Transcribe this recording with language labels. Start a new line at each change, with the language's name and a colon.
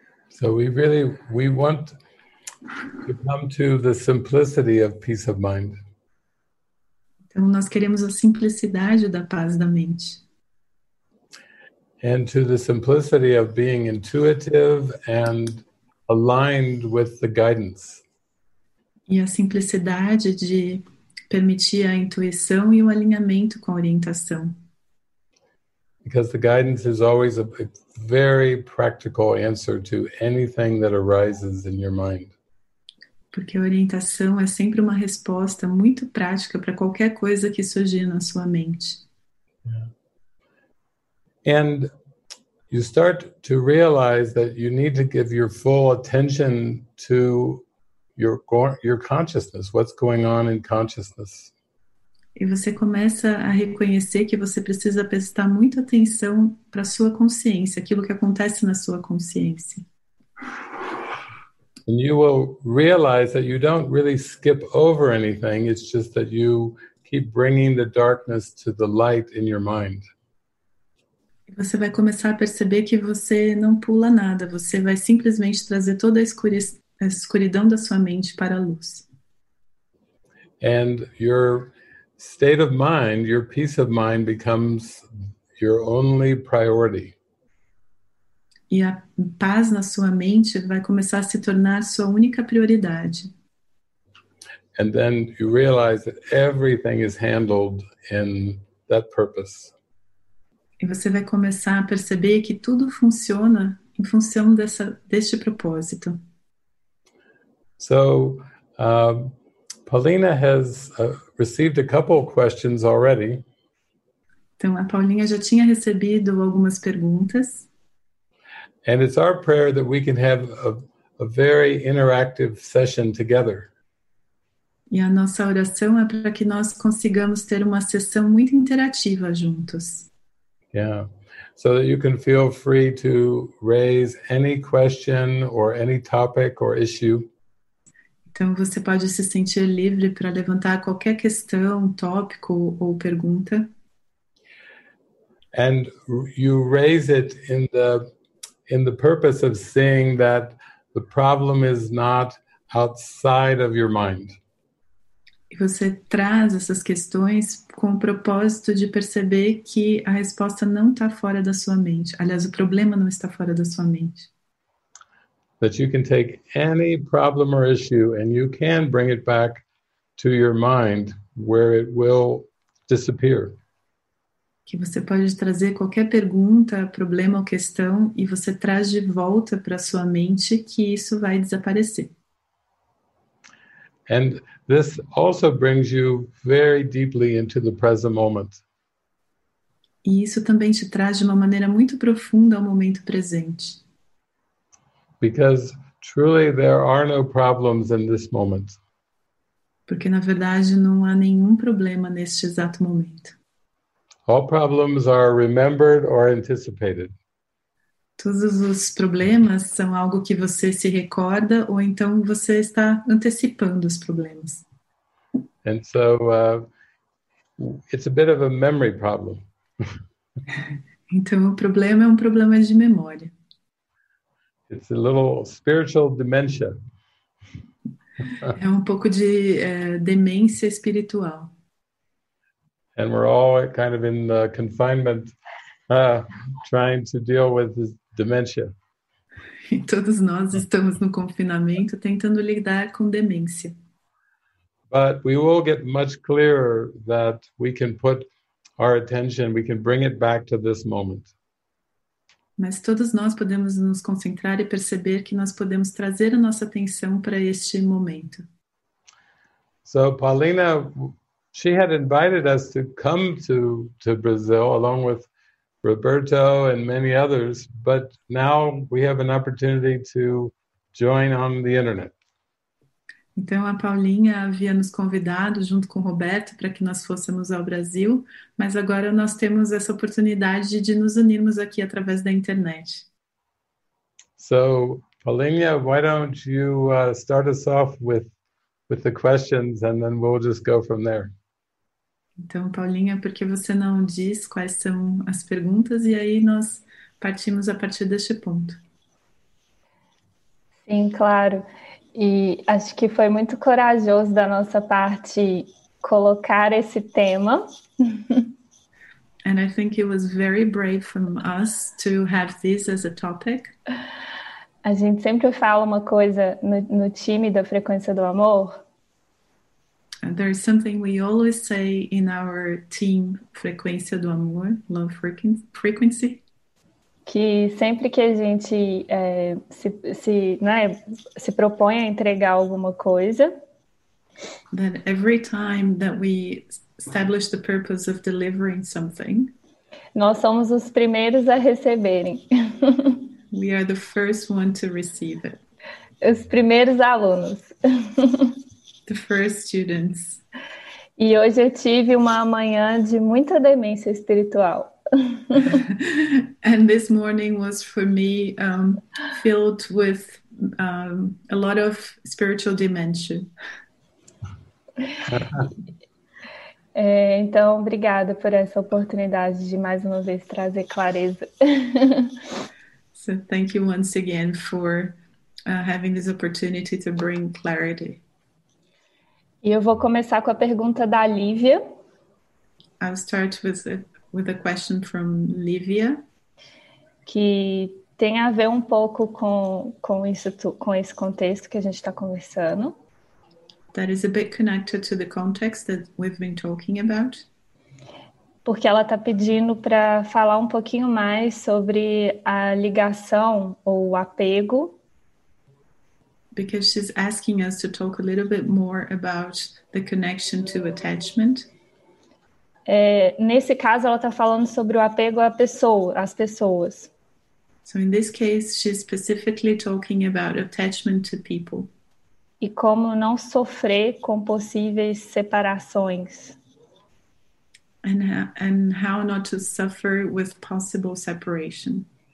English: So we want to come to the simplicity of peace of mind.
Portuguese: Então, nós queremos a simplicidade da paz da mente.
English: And to the simplicity of being intuitive and aligned with the guidance.
Portuguese: E a simplicidade de permitir a intuição e o alinhamento com a orientação.
English: Because the guidance is always a very practical answer to anything that arises in your mind.
Portuguese: Porque a orientação é sempre uma resposta muito prática para qualquer coisa que surgir na sua mente.
English: And you start to realize that you need to give your full attention to your consciousness, what's going on in consciousness.
Portuguese: E você começa a reconhecer que você precisa prestar muita atenção para a sua consciência, aquilo que acontece na sua consciência.
English: And you will realize that you don't really skip over anything, it's just that you keep bringing the darkness to the light in your mind.
Portuguese: Você vai começar a perceber que você não pula nada, você vai simplesmente trazer toda a escuridão da sua mente para a luz.
English: And your state of mind, your peace of mind becomes your only priority.
Portuguese: E a paz na sua mente vai começar a se tornar sua única prioridade.
English: And then you realize that everything is handled in that purpose.
Portuguese: E você vai começar a perceber que tudo funciona em função deste propósito.
English: So, Paulina has received a couple of questions already.
Portuguese: Então, a Paulinha já tinha recebido algumas perguntas.
English: And it's our prayer that we can have a very interactive session together.
Portuguese: E a nossa oração é para que nós consigamos ter uma sessão muito interativa juntos.
English: Yeah, so that you can feel free to raise any question or any topic or issue.
Portuguese: Então você pode se sentir livre para levantar qualquer questão, tópico ou pergunta.
English: And you raise it in the purpose of seeing that the problem is not outside of your mind.
Portuguese: E você traz essas questões com o propósito de perceber que a resposta não está fora da sua mente. Aliás, o problema não está fora da sua mente.
English: That you can take any problem or issue and you can bring it back to your mind where it will disappear.
Portuguese: Que você pode trazer qualquer pergunta, problema ou questão e você traz de volta para sua mente que isso vai desaparecer.
English: And this also brings you very deeply into the present moment.
Portuguese: E isso também te traz de uma maneira muito profunda ao momento presente.
English: Because truly there are no problems in this moment.
Portuguese: Porque na verdade não há nenhum problema neste exato momento.
English: All problems are remembered or anticipated.
Portuguese: Todos os problemas são algo que você se recorda ou então você está antecipando os problemas.
English: And so it's a bit of a memory problem.
Portuguese: Então o problema é um problema de memória.
English: It's a little spiritual dementia.
Portuguese: É um pouco de demência espiritual.
English: And we're all kind of in the confinement trying to deal with this dementia.
Portuguese: E todos nós estamos no confinamento tentando lidar com demência.
English: But we will get much clearer that we can put our attention, we can bring it back to this moment.
Portuguese: Mas todos nós podemos nos concentrar e perceber que nós podemos trazer a nossa atenção para este momento.
English: So Paulina, she had invited us to come to Brazil along with Roberto and many others, but now we have an opportunity to join on the internet.
Portuguese: Então a Paulinha havia nos convidado junto com Roberto para que nós fôssemos ao Brasil, mas agora nós temos essa oportunidade de nos unirmos aqui através da internet.
English: So, Paulinha, why don't you start us off with the questions and then we'll just go from there.
Portuguese: Então, Paulinha, por que você não diz quais são as perguntas e aí nós partimos a partir deste ponto? Sim, claro. E acho que foi muito corajoso da nossa parte colocar esse tema.
English: And I think it was very brave from us to have this as a topic.
Portuguese: A gente sempre fala uma coisa no time da Frequência do Amor.
English: There is something we always say in our team, Frequência do Amor, Love Frequency.
Portuguese: Que sempre que a gente se propõe a entregar alguma coisa.
English: That every time that we establish the purpose of delivering something.
Portuguese: Nós somos os primeiros a receberem.
English: We are the first one to receive it.
Portuguese: Os primeiros alunos.
English: The first students.
Portuguese: E hoje eu tive uma manhã de muita demência espiritual.
English: And this morning was for me filled with a lot of spiritual dementia.
Portuguese: Então, obrigada por essa oportunidade de mais uma vez trazer clareza.
English: So thank you once again for having this opportunity to bring clarity.
Portuguese: E eu vou começar com a pergunta da Lívia.
English: I'll start with a question from Lívia.
Portuguese: Que tem a ver um pouco com esse contexto que a gente está conversando.
English: That is a bit connected to the context that we've been talking about.
Portuguese: Porque ela está pedindo para falar um pouquinho mais sobre a ligação ou o apego.
English: Because she's asking us to talk a little bit more about the connection to attachment.
Portuguese: Nesse caso, ela está falando sobre o apego à pessoa, às pessoas.
English: So in this case, she's specifically talking about attachment to people.
Portuguese: E como não sofrer com possíveis separações.
English: And how not to suffer with possible separation.